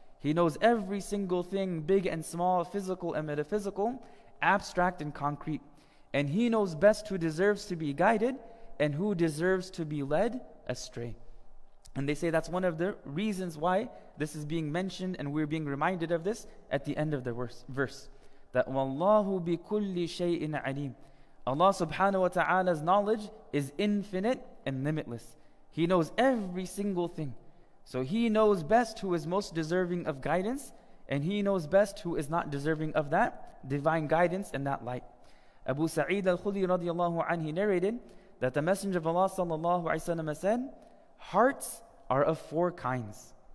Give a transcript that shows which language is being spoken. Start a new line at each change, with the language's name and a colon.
English: He knows every single thing, big and small, physical and metaphysical, abstract and concrete. And He knows best who deserves to be guided and who deserves to be led astray. And they say that's one of the reasons why this is being mentioned and we're being reminded of this at the end of the verse.
Arabic: That وَاللَّهُ بِكُلِّ شَيْءٍ عَلِيمٍ.
English: Allah subhanahu wa ta'ala's knowledge is infinite and limitless. He knows every single thing. So He knows best who is most deserving of guidance, and He knows best who is not deserving of that divine guidance and that light. Abu Sa'id al-Khudri radiallahu anhu narrated that the Messenger of Allah sallallahu alayhi wa sallam said, hearts are of four kinds.